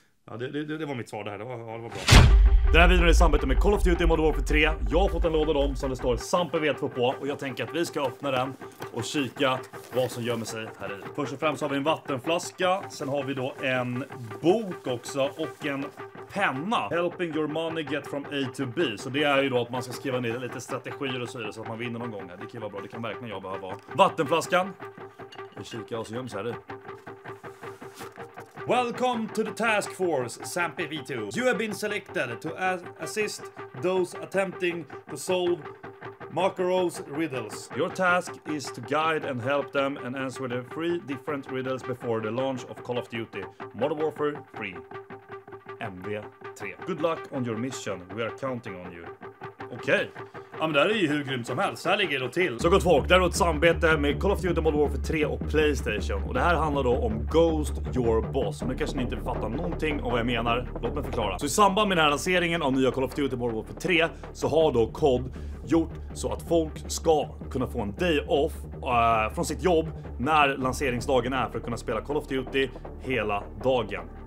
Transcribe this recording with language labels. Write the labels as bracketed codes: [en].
[sv] Ja, det var mitt svar det här, det var bra. Den här videon är i samarbete med Call of Duty Modern Warfare 3. Jag har fått en låda dem som det står Sampe V2 på. Och jag tänker att vi ska öppna den och kika vad som gömmer sig här i. Först och främst har vi en vattenflaska. Sen har vi då en bok också och en penna. [en] Helping your money get from A to B. [sv] Så det är ju då att man ska skriva ner lite strategier och så vidare så att man vinner någon gång här. Det kan vara bra, det kan verkligen jag behöva. Vattenflaskan. Vi kikar vad som gömmer sig här i. [en] Welcome to the task force, Sampe V2. You have been selected to assist those attempting to solve Makarov's riddles. Your task is to guide and help them and answer the 3 different riddles before the launch of Call of Duty Modern Warfare 3. MW3. Good luck on your mission. We are counting on you. Okej. [sv] Ja, men det här är ju hur grymt som helst. Så här ligger det till. Så gott folk, det här är ett samarbete med Call of Duty Modern Warfare 3 och PlayStation. Och det här handlar då om Ghost Your Boss. Nu kanske ni inte fattar någonting av vad jag menar. Låt mig förklara. Så i samband med den här lanseringen av nya Call of Duty Modern Warfare 3 så har då COD gjort så att folk ska kunna få en day off från sitt jobb när lanseringsdagen är för att kunna spela Call of Duty hela dagen.